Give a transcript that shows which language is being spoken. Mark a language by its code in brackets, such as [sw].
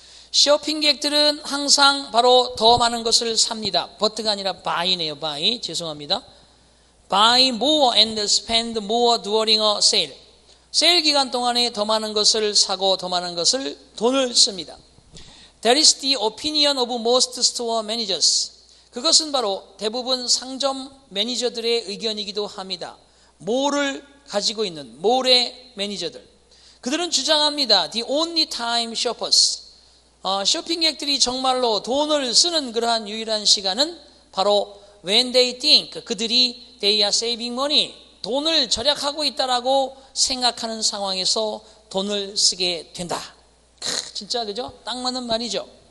[ko] 쇼핑객들은 항상 바로 더 많은 것을 삽니다. 버트가 아니라 buy네요, buy. 죄송합니다. [en] Buy more and spend more during a sale. [ko] 세일 기간 동안에 더 많은 것을 사고 더 많은 것을 돈을 씁니다. [en] That is the opinion of most store managers. [ko] 그것은 바로 대부분 상점 매니저들의 의견이기도 합니다. 몰을 가지고 있는 몰의 매니저들. 그들은 주장합니다. [en] The only time shoppers. [ko] 쇼핑객들이 정말로 돈을 쓰는 그러한 유일한 시간은 바로 [en] when they think, [ko] 그들이 [en] they are saving money, [ko] 돈을 절약하고 있다라고 생각하는 상황에서 돈을 쓰게 된다. 진짜 그죠? 딱 맞는 말이죠.